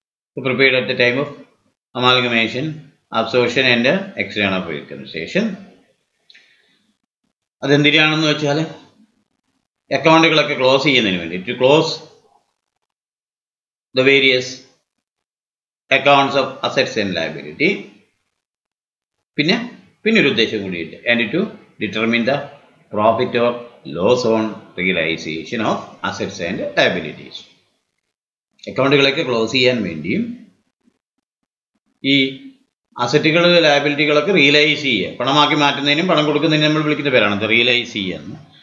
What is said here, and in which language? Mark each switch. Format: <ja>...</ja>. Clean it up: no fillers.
<en>ഇപ്പോൾ prepared at the time of amalgamation absorption and external reconstruction.</en> <ml>അതെന്തിനാണെന്ന് വെച്ചാൽ അക്കൗണ്ടുകളൊക്കെ close ചെയ്യുന്നതിന് വേണ്ടി,</ml> <en>To close the various accounts of assets and liability.</en> <ml>പിന്നെ ഒരു ഉദ്ദേശം കൂടിയിട്ട്,</ml> <en>and to determine the profit or loss on realization of assets and liabilities.</en> <ml>അക്കൗണ്ടുകളൊക്കെ close ചെയ്യാൻ വേണ്ടിയും ഈ അസറ്റുകൾ ലയബിലിറ്റികളൊക്കെ റിയലൈസ് ചെയ്യുക, പണമാക്കി മാറ്റുന്നതിനും പണം കൊടുക്കുന്നതിനും നമ്മൾ വിളിക്കുന്ന പേരാണ് അത് റിയലൈസ് ചെയ്യുക.</ml>